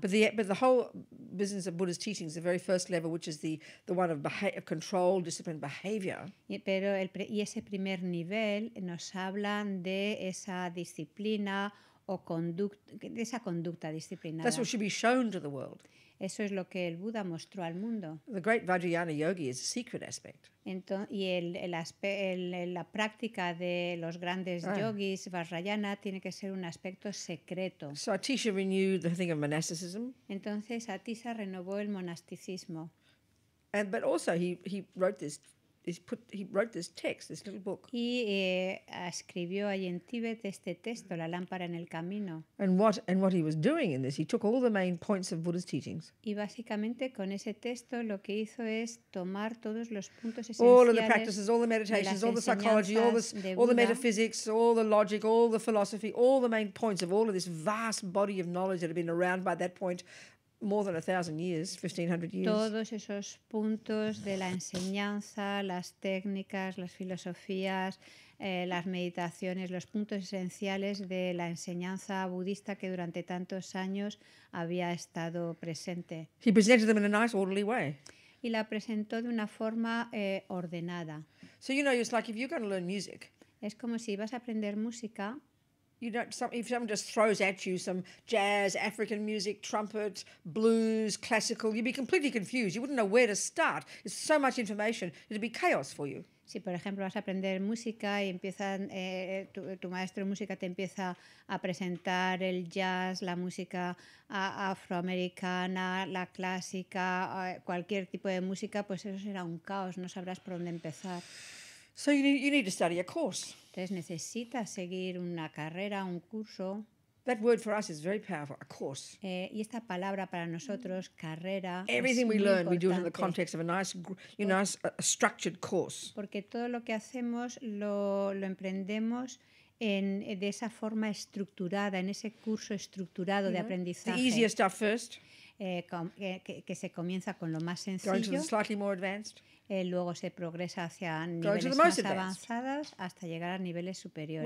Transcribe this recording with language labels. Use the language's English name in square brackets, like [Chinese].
[English] But the whole business of Buddha's teachings, the very first level, which is the one of control, discipline, behavior. [Spanish] Y ese primer nivel nos hablan de esa disciplina o conducta, de esa conducta disciplinada. [English] That's what should be shown to the world. [Spanish] Eso es lo que el Buda mostró al mundo. [English] The great Vajrayana yogi is a secret aspect. [Spanish] La práctica de los grandes yogis Vajrayana tiene que ser un aspecto secreto. [English] So Atisha renewed the thing of monasticism. [Spanish] Entonces Atisha renovó el monasticismo. [English] But also he wrote this text, this little book. [Spanish] Y escribió allí en Tíbet este texto, La lámpara en el camino. [English] And what he was doing in this, he took all the main points of Buddha's teachings. [Spanish] Y básicamente con ese texto lo que hizo es tomar todos los puntos esenciales. [English] All of the practices, all the meditations, all the psychology, all the metaphysics, all the logic, all the philosophy, all the main points of all of this vast body of knowledge that had been around by that point. More than 1,000 years, 1,500 years. [Spanish] Todos esos puntos de la enseñanza, las técnicas, las filosofías, las meditaciones, los puntos esenciales de la enseñanza budista que durante tantos años había estado presente. [English] He presented them in a nice, orderly way. [Spanish] Y la presentó de una forma ordenada. [English] So you know, it's like if you're going to learn music. [Spanish] Es como si vas a aprender música. [English] You don't. If someone just throws at you some jazz, African music, trumpet, blues, classical, you'd be completely confused. You wouldn't know where to start. It's so much information. It'd be chaos for you. [Spanish] Si, por ejemplo, vas a aprender música y empiezan tu maestro de música te empieza a presentar el jazz, la música afroamericana, la clásica, cualquier tipo de música, pues eso será un caos. No sabrás por dónde empezar. [English] So you need to study a course. [Spanish] Entonces necesitas seguir una carrera, un curso. [English] That word for us is very powerful, a course. [Spanish] Y esta palabra para nosotros, carrera, [English] everything [Spanish] es [English] we [Spanish] muy [English] learn, [Spanish] importante. [English] We do it in the context of a nice, you know, a structured course. [Spanish] Porque todo lo que hacemos lo emprendemos de esa forma estructurada, en ese curso estructurado de aprendizaje. [English] The easier stuff first. [Spanish] Que se comienza con lo más sencillo. [English] Going to the slightly more advanced. [Spanish] Luego se progresa hacia niveles más avanzadas hasta llegar a niveles superiores.